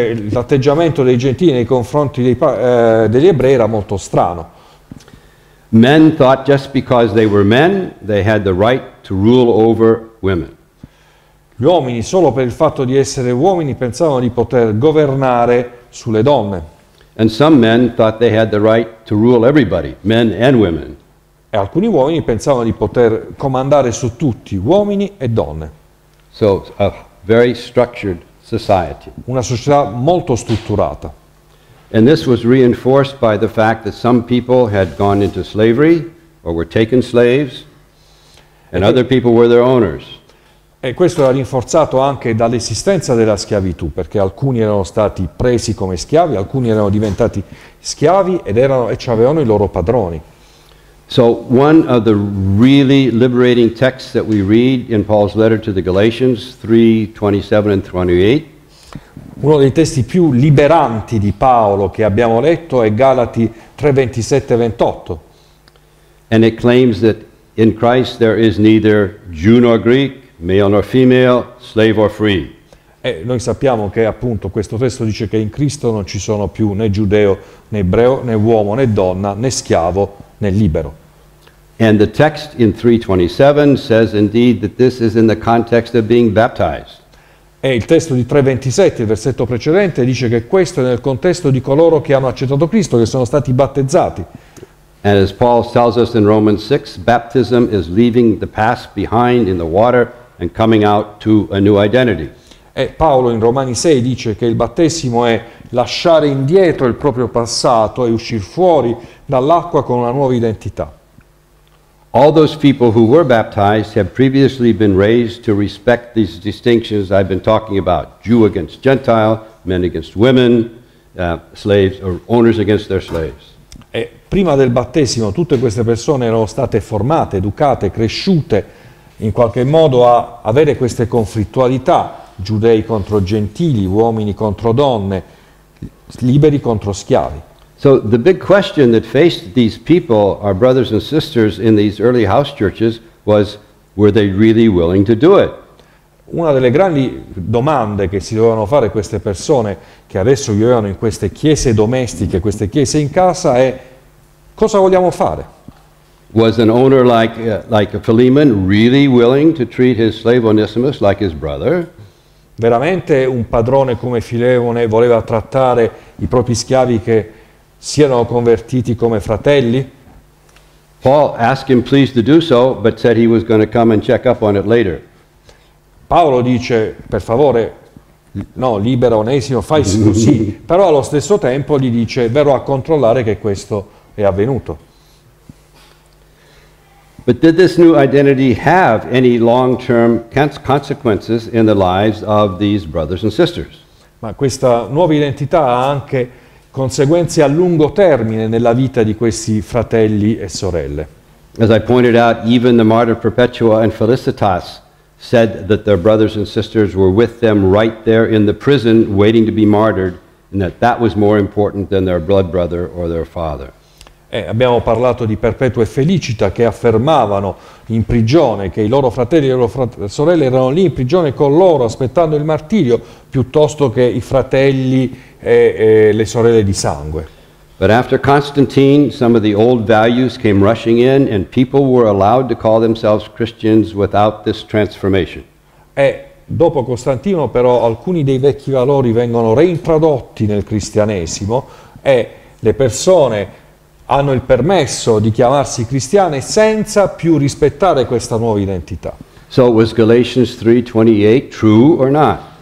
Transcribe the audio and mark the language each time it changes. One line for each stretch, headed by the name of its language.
Italian: L'atteggiamento dei gentili nei confronti degli ebrei era molto strano.
English: Men thought just because they were men, they had the right to rule over women.
Italian: Gli uomini, solo per il fatto di essere uomini, pensavano di poter governare sulle donne.
English: And some men thought they had the right to rule everybody, men and women.
Italian: E alcuni uomini pensavano di poter comandare su tutti, uomini e donne.
English: So, a very structured society.
Italian: Una società molto strutturata.
English: And this was reinforced by the fact that some people had gone into slavery or were taken slaves, and other people were their owners.
Italian: E questo era rinforzato anche dall'esistenza della schiavitù, perché alcuni erano stati presi come schiavi, alcuni erano diventati schiavi e avevano i loro padroni.
English: So one of the really liberating texts that we read in Paul's letter to the Galatians 3:27 and 28.
Italian: Uno dei testi più liberanti di Paolo che abbiamo letto è Galati 3:27-28.
English: And it claims that in Christ there is neither Jew nor Greek, male nor female, slave or free.
Italian: E noi sappiamo che appunto questo testo dice che in Cristo non ci sono più né giudeo né ebreo, né uomo né donna, né schiavo né libero.
English: And the text in 3:27 says indeed that this is in the context of being baptized.
Italian: E il testo di 3:27, il versetto precedente, dice che questo è nel contesto di coloro che hanno accettato Cristo, che sono stati battezzati.
English: And as Paul tells us in Romans 6, baptism is leaving the past behind in the water and coming out to a new identity.
Italian: E Paolo in Romani 6 dice che il battesimo è lasciare indietro il proprio passato e uscire fuori dall'acqua con una nuova identità.
English: All those people who were baptized have previously been raised to respect these distinctions I've been talking about, Jew against Gentile, men against women, slaves or owners against their slaves.
Italian: E prima del battesimo tutte queste persone erano state formate, educate, cresciute in qualche modo a avere queste conflittualità, giudei contro gentili, uomini contro donne, liberi contro schiavi.
English: So the big question that faced these people, our brothers and sisters in these early house churches, was were they really willing to do it?
Italian: Una delle grandi domande che si dovevano fare queste persone che adesso vivevano in queste chiese domestiche, queste chiese in casa, è cosa vogliamo fare?
English: Was an owner like Philemon really willing to treat his slave Onesimus like his brother?
Italian: Veramente un padrone come Filemone voleva trattare i propri schiavi che siano convertiti come fratelli?
English: Paul asked him please to do so, but said he was going to come and check up on it later.
Italian: Paolo dice, per favore, no, libera Onesimo, fai sì, però allo stesso tempo gli dice, verrò a controllare che questo è avvenuto.
English: But did this new identity have any long-term consequences in the lives of these brothers and sisters?
Italian: Ma questa nuova identità ha anche conseguenze a lungo termine nella vita di questi fratelli e sorelle.
English: As I pointed out, even the martyr Perpetua and Felicitas said that their brothers and sisters were with them right there in the prison waiting to be martyred, and that that was more important than their blood brother or their father.
Italian: Abbiamo parlato di Perpetua e Felicita che affermavano in prigione che i loro fratelli e le loro sorelle erano lì in prigione con loro aspettando il martirio piuttosto che i fratelli e le sorelle di sangue.
English: But after Constantine, some of the old values came rushing in and people were allowed to call themselves Christians without this transformation.
Italian: Dopo Costantino però alcuni dei vecchi valori vengono reintrodotti nel cristianesimo e le persone hanno il permesso di chiamarsi cristiane senza più rispettare questa nuova identità.
English: So was Galatians 3:28 true or not?